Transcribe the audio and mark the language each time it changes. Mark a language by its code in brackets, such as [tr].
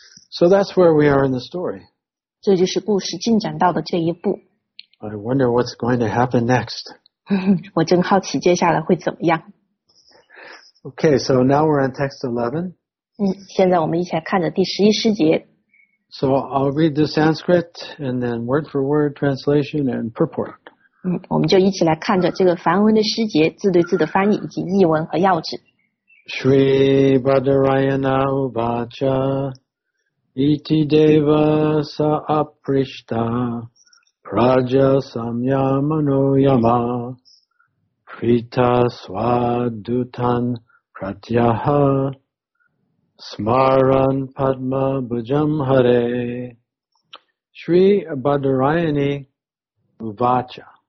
[en] So that's where we are in the story. [zh] 这就是故事进展到的这一步。 [en] I wonder what's going to happen next. [zh] 我真好奇接下来会怎么样。 [en] Okay, so now we're on text 11. [zh] 现在我们一起来看着第十一诗节。 [en] So I'll read the Sanskrit and then word for word translation and purport. [zh] 我们就一起来看着这个梵文的诗节，字对字的翻译以及译文和要旨。 [sa] Shri Bhadarayana Uvacha Iti Deva Saaprishta Praja Samyamano Yama Prita Swadutan Pratyaha Smaran Padma Bhujam Hare Shri Bhadarayani Uvacha.